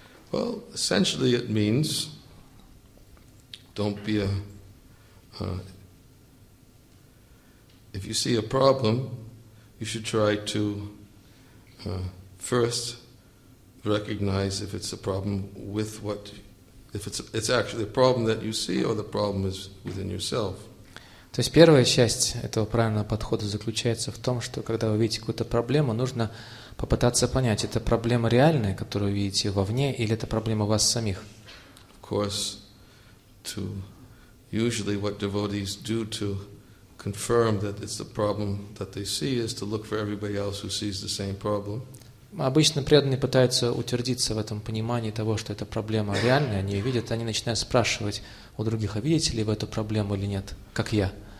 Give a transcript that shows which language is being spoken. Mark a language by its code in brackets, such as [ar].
[en] Well, essentially it means don't be a if you see a problem, you should try to first recognize if it's a problem with what if it's actually a problem that you see or the problem is within yourself. [ru] То есть первая часть этого правильного подхода заключается в том, что когда вы видите какую-то проблему, нужно попытаться понять, это проблема реальная, которую вы видите вовне, или это проблема вас самих. [en] Of course, to usually what devotees do to confirm that it's the problem that they see is to look for everybody else who sees the same problem. [ru] Обычно преданные пытаются утвердиться в этом понимании того, что эта проблема реальная, они ее видят, они начинают спрашивать у других, а видите ли вы эту проблему или нет, как я.